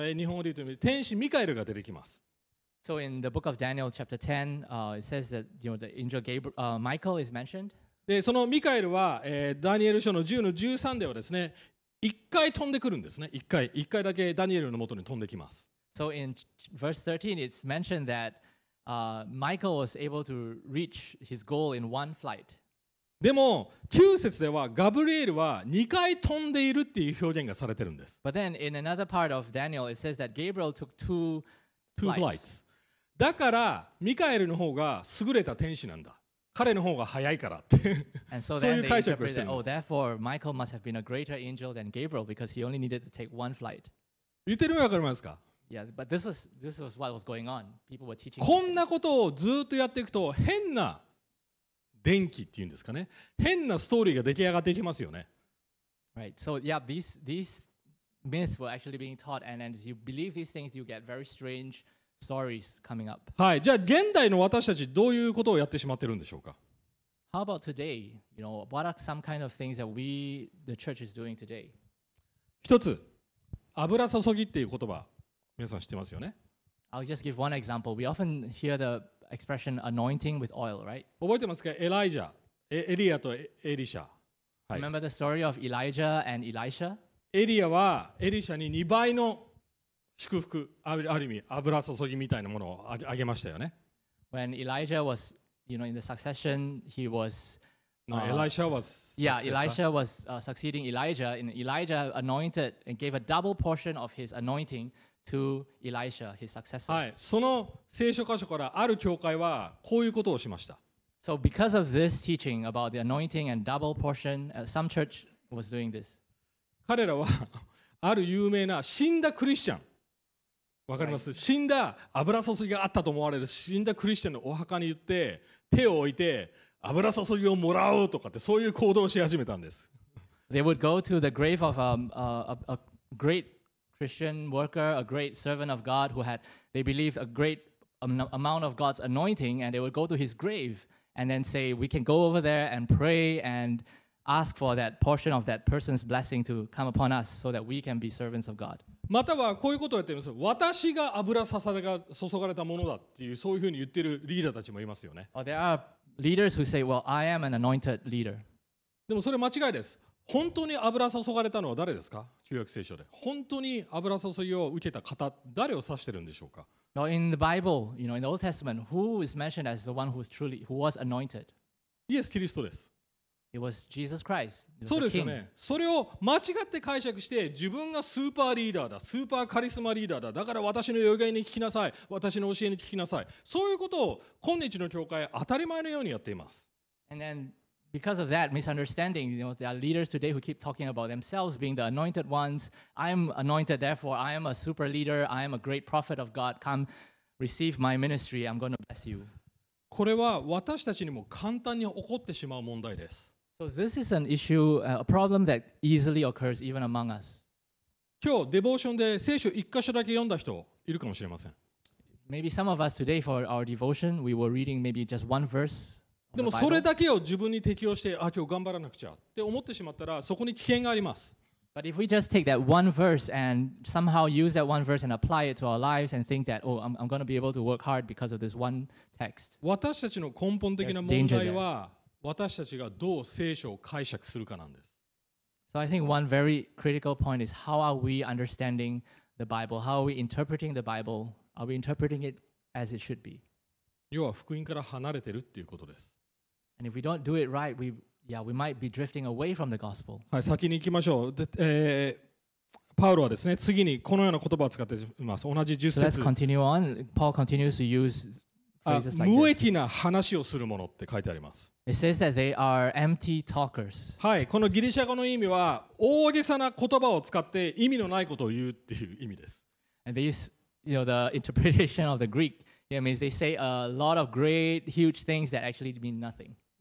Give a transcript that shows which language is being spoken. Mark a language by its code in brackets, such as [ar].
[ja] 日本語で言うと、天使ミカエルが出てきます。 [en] So in the book of Daniel, chapter 10, it says that, you know, the angel Gabriel, Michael is mentioned. [ja] で、そのミカエルは、ダニエル書の10の13ではですね、1回飛んでくるんですね。 1回だけダニエルのもとに飛んできます。 [en] So in verse 13, it's mentioned that Michael was able to reach his goal in one flight. [ja] でも9節ではガブリエルは2回飛んでいるっていう表現がされてるんです。 [en] But then in another part of Daniel, it says that Gabriel took two flights. [ja] だからミカエルの方が優れた天使なんだ。彼の方が早いからって。 [en] And so then they interpreted, oh, therefore Michael must have been a greater angel than Gabriel because he only needed to take one flight. [ja] 言ってるのわかりますか？ [en] Yeah, but this was what was going on. People were teaching. [ja] こんなことをずっとやっていくと変な電気っていうんですかね。変なストーリーが出来上がってきますよね。 [en] Right. So yeah, these myths were actually being taught, and as you believe these things, you get very strange stories coming up. [ja] はい。じゃあ現代の私たちどういうことをやってしまってるんでしょうか。 [en] How about today? You know, what are some kind of things that we, the church, is doing today? [ja] 一つ、油注ぎっていう言葉。皆さん知ってますよね。 [en] I'll just give one example. We often hear the expression anointing with oil, right? [ja] 覚えてますか？エライジャ、エリアとエリシャ。 [en] はい。Remember the story of Elijah and Elisha? [ja] エリアはエリシャに2倍の祝福、ある意味油注ぎみたいなものをあげましたよね。 [en] When Elijah was, you know, in the succession, he was. No, Elisha was. Yeah, Elisha was succeeding Elijah, and Elijah anointed and gave a double portion of his anointing. To Elisha, his successor. [ja] はい、その聖書箇所からある教会はこういうことをしました。 [en] So because of this teaching about the anointing and double portion, some church was doing this. [ja] 彼らはある有名な死んだクリスチャン、わかります？ [en] Right. [ja] 死んだ油注ぎがあったと思われる死んだクリスチャンのお墓に行って手を置いて油注ぎをもらおうとかってそういう行動をし始めたんです。 [en] They would go to the grave of a greatChristian worker, a great servant of God who had, they believed, a great amount of God's anointing, and they would go to his grave and then say, we can go over there and pray and ask for that portion of that person's blessing to come upon us so that we can be servants of God. [ja] またはこういうことをやっています。私が油注がれたものだっていう、そういうふうに言ってるリーダーたちもいますよね。 [en] Oh, there are leaders who say, well, I am an anointed leader. [ja] でもそれ間違いです。本当に油注がれたのは誰ですか？旧約聖書で本当に油注ぎを受けた方、誰を指してるんでしょうか？ [en] Well, in the Bible, you know, in the Old Testament, who is mentioned as the one who was anointed? [ja] イエス・キリストです。 [en] It was Jesus Christ. [ja] そうですよね。それを間違って解釈して、自分がスーパーリーダーだ、スーパーカリスマリーダーだ、だから私の予言に聞きなさい、私の教えに聞きなさい。そういうことを今日の教会当たり前のようにやっています。 [en] And then because of that misunderstanding, you know, there are leaders today who keep talking about themselves being the anointed ones. I am anointed, therefore I am a super leader. I am a great prophet of God. Come, receive my ministry. I'm going to bless you. [ja] これは私たちにも簡単に起こってしまう問題です。 [en] So this is an issue, a problem that easily occurs even among us. [ja] 今日デボーションで聖書一箇所だけ読んだ人いるかもしれません。 [en] Maybe some of us today for our devotion, we were reading maybe just one verse. [ja] でもそれだけを自分に適用して、あ、今日頑張らなくちゃって思ってしまったら、そこに危険があります。 [en] But if we just take that one verse and somehow use that one verse and apply it to our lives and think that, oh, I'm going to be able to work hard because of this one text. [ja] 私たちの根本的な問題は、私たちがどう聖書を解釈するかなんです。 [en] So I think one very critical point is how are we understanding the Bible? How are we interpreting the Bible? Are we interpreting it as it should be? [ja] 要は福音から離れてるっていうことです。 [en] And if we don't do it right, we might be drifting away from the gospel. [ja] はい、先に行きましょう。で、パウロはですね、次にこのような言葉を使っています。同じ10節。 [en] So let's continue on. Paul continues to use phrases like this. [ja] 無益な話をするものって書いてあります。 [en] It says that they are empty talkers. [ja] はい、このギリシャ語の意味は大げさな言葉を使って意味のないことを言うっていう意味です。 [en] And this, you know, the interpretation of the Greek here means they say a lot of great, huge things that actually mean nothing.